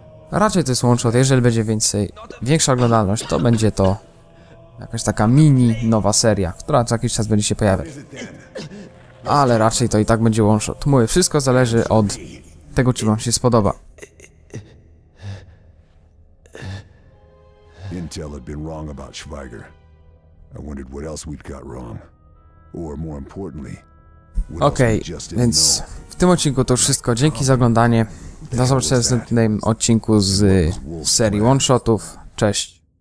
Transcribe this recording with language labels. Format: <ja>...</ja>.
<pl>Raczej to jest one shot, jeżeli będzie większa oglądalność, to będzie to jakaś taka mini nowa seria, która co jakiś czas będzie się pojawiać. Ale raczej to i tak będzie one shot. Mówię, wszystko zależy od tego, czy wam się spodoba.</pl> <en>Intel had been wrong about Schweiger. I wondered what else we'd got wrong. Or more importantly, what okay, else we just didn't więc know.</en> <pl>W tym odcinku to wszystko. Dzięki za oglądanie. Do zobaczenia w następnym odcinku z serii one-shotów. Cześć.</pl>